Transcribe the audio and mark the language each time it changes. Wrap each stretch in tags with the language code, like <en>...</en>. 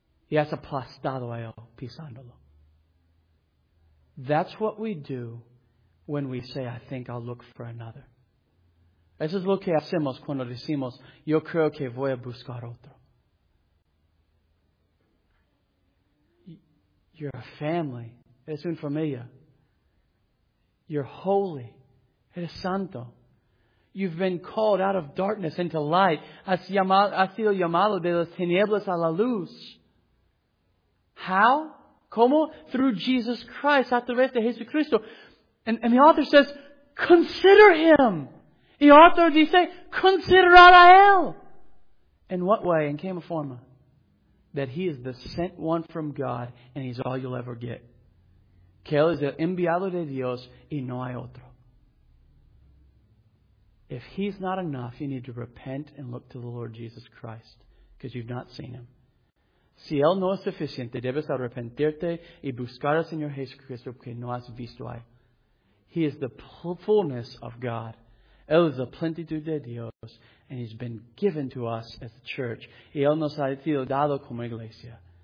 <es>Y has aplastado a él pisándolo.</es> <en>That's what we do when we say, I think I'll look for another.</en> <es>Eso es lo que hacemos cuando decimos, yo creo que voy a buscar otro.</es> <en>You're a family.</en> <es>Eres una familia.</es> <en>You're holy.</en> <es>Eres santo.</es> <en>You've been called out of darkness into light.</en> <es>Has sido llamado de las tinieblas a la luz. How? ¿Cómo?</es> <en>Through Jesus Christ,</en> <es>a través de Jesucristo.</es> <en>And the author says, consider him. The author dice, consider a él. In what way? In qué forma? That he is the sent one from God and he's all you'll ever get.</en> <es>Que él es el enviado de Dios y no hay otro.</es> <en>If he's not enough, you need to repent and look to the Lord Jesus Christ because you've not seen him.</en> <es>Si él no es suficiente, debes arrepentirte y buscar al Señor Jesucristo porque no has visto a él.</es> <en>He is the fullness of God.</en> <es>Él es la plenitud de Dios.</es> <en>And he's been given to us as a church.</en> <es>Y él nos ha sido dado como iglesia.</es>